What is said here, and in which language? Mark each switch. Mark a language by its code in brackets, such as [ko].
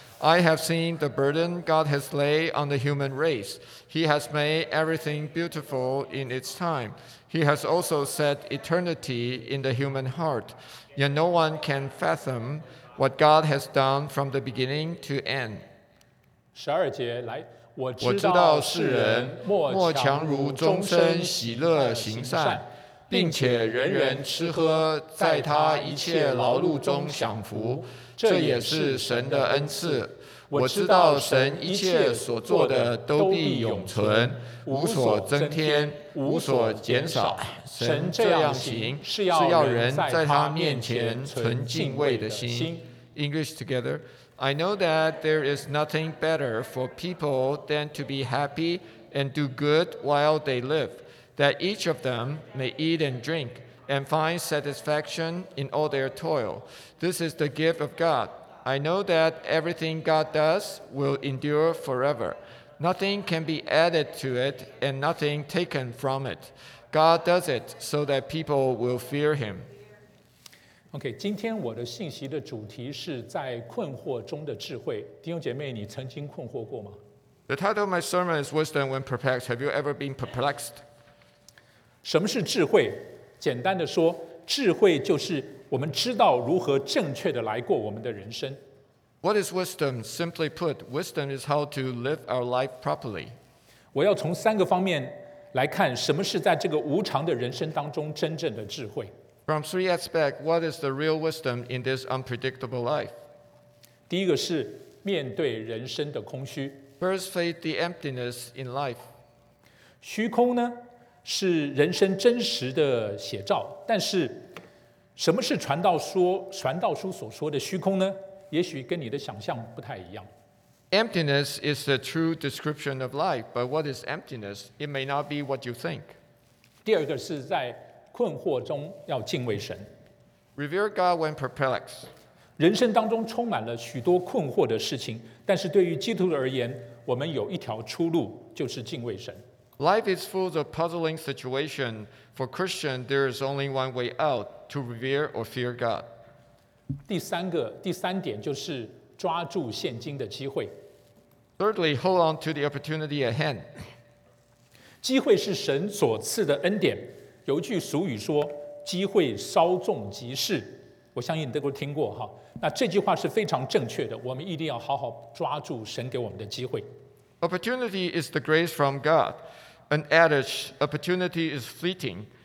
[en] I have seen the burden God has laid on the human race. He has made everything beautiful in its time. He has also set eternity in the human heart. Yet no one can fathom what God has done from the beginning to end. [zh] 十二节来, 我知道世人莫强如终身喜乐行善, 并且人人吃喝在他一切劳碌中享福, 这也是神的恩赐。我知道神一切所做的都必永存, 无所增添, 无所减少。神这样行是要人在他面前存敬畏的心。 [en] English together, I know that there is nothing better for people than to be happy and do good while they live, that each of them may eat and drink and find satisfaction in all their toil. This is the gift of God. I know that everything God does will endure forever. Nothing can be added to it and nothing taken from it. God does it so that people will fear him. [zh] Okay, 今天我的信息的主题是在困惑中的智慧。弟兄姐妹，你曾经困惑过吗？ [en] The title of my sermon is Wisdom When Perplexed. Have you ever been perplexed? [zh] 什么是智慧？简单的说，智慧就是我们知道如何正确的来过我们的人生。 [en] What is wisdom? Simply put, wisdom is how to live our life properly. [zh] 我要从三个方面来看什么是在这个无常的人生当中真正的智慧。 [en] From three aspects, what is the real wisdom in this unpredictable life? [zh] 第一个是面对人生的空虚。 [en] First, face the emptiness in life. [zh] 虚空呢，是人生真实的写照，但是什么是传道书所说的虚空呢？也许跟你的想象不太一样。 [en] Emptiness is the true description of life, but what is emptiness? It may not be what you think. [zh] 第二个是在困惑中要敬畏神。 [en] Revere God when perplexed. [zh] 人生当中充满了许多困惑的事情，但是对于基督徒而言，我们有一条出路，就是敬畏神。 [en] Life is full of puzzling situations. For Christian, there is only one way out, to revere or fear God. [zh] 第三点就是抓住现今的机会。 [en] Thirdly, hold on to the opportunity at hand. [zh] 机会是神所赐的恩典。有一句俗语说，机会稍纵即逝。我相信你都听过，那这句话是非常正确的，我们一定要好好抓住神给我们的机会。 [en] Opportunity is the grace from God. An adage, opportunity is fleeting.